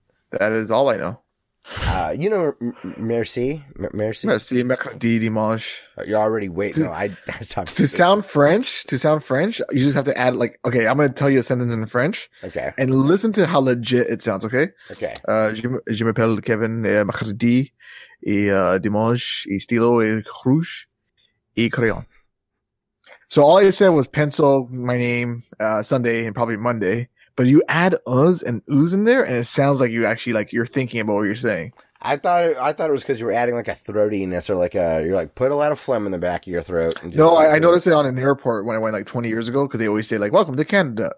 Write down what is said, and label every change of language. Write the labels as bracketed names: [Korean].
[English] That is all I know. You know, [French] merci. Merci. Merci. Mercredi, dimanche. [English] You're already waiting. No, I talked to you. To sound French, you just have to add, like, okay, I'm going to tell you a sentence in French. Okay. And listen to how legit it sounds, okay? Okay. [French] Je m'appelle Kevin, mercredi, dimanche, et stylo, et rouge, et crayon. [English] So all I said was pencil, my name, Sunday, and probably Monday. But you add us and oohs in there, and it sounds like you actually, like, you're thinking about what you're saying. I thought it was because you were adding, like, a throatiness or, like, you're, like, put a lot of phlegm in the back of your throat. And just, no, like, I noticed it on an airport when I went, like, 20 years ago, because they always say, like, welcome to Canada.